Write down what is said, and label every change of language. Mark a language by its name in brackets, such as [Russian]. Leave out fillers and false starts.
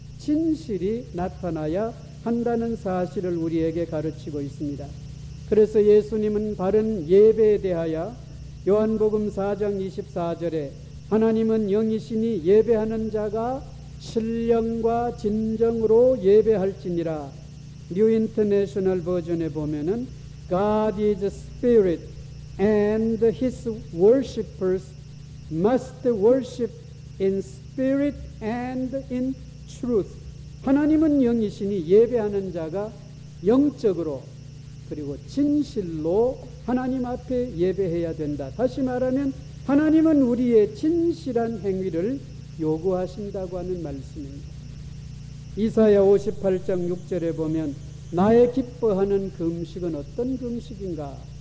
[Korean] 진실이 나타나야 한다는 사실을 우리에게 가르치고 있습니다. 그래서 예수님은 바른 예배에 대하여 요한복음 4장 24절에 하나님은 영이시니 예배하는 자가 신령과 진정으로 예배할지니라. 뉴 인터내셔널 버전에 보면은 [English] God is spirit and his worshippers must worship in spirit and in truth. [Korean] 하나님은 영이시니 예배하는 자가 영적으로 그리고 진실로 하나님 앞에 예배해야 된다. 다시 말하면 하나님은 우리의 진실한 행위를 요구하신다고 하는 말씀입니다. 이사야 58장 6절에 보면 나의 기뻐하는 금식은 어떤 금식인가?